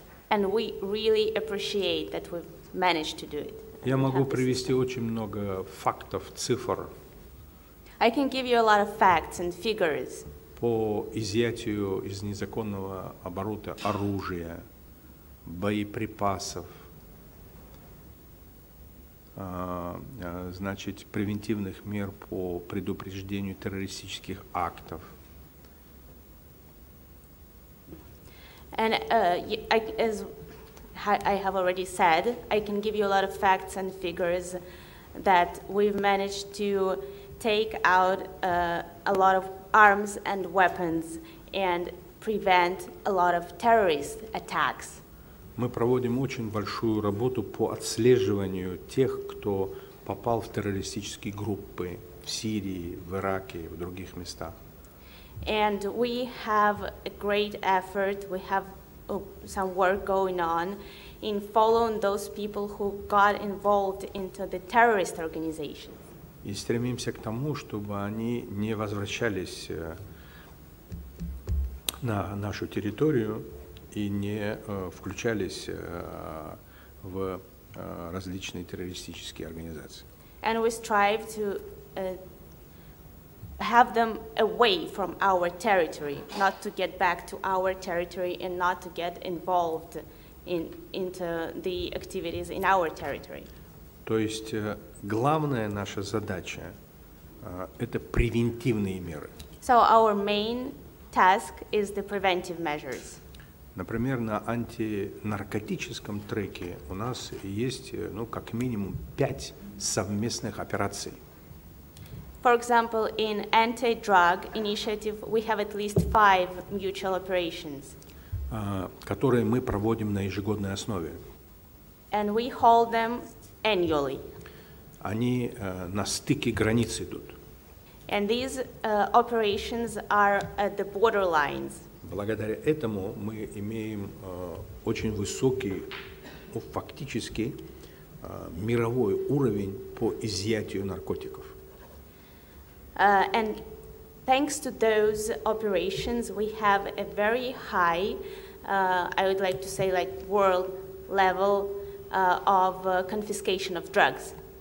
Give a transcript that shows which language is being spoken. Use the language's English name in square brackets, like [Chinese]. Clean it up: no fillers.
[English] And we really appreciate that we've managed to do it. [Russian] Я могу привести очень много фактов, цифр. [English] I can give you a lot of facts and figures. [Russian] По изъятию из незаконного оборота оружия, боеприпасов, значит, превентивных мер по предупреждению террористических актов. [English] And as I have already said, I can give you a lot of facts and figures that we've managed to take out a lot of arms and weapons and prevent a lot of terrorist attacks. [Russian] Мы проводим очень большую работу по отслеживанию тех, кто попал в террористические группы в Сирии, в Ираке, в других местах. [English] And we have a great effort, we have some work going on in following those people who got involved into the terrorist organization. [Russian] И стремимся к тому, чтобы они не возвращались на нашу территорию и не включались в различные террористические организации. [English] And we strive to have them away from our territory, not to get back to our territory and not to get involved into the activities in our territory. [Russian] То есть главная наша задача это превентивные меры. [English] So our main task is the preventive measures. [Russian] Например, на антинаркотическом треке у нас есть, ну, как минимум 5 совместных операций. [English] For example, in anti-drug initiative, we have at least 5 mutual operations, [Russian] которые мы проводим на ежегодной основе. [English] And we hold them annually. [Russian] Они на стыке границ идут. [English] And these operations are at the border lines. [Russian] Благодаря этому мы имеем очень высокий, ну, фактически, мировой уровень по изъятию наркотиков. [English] And thanks to those operations, we have a very high, I would like to say, like world level of confiscation of drugs.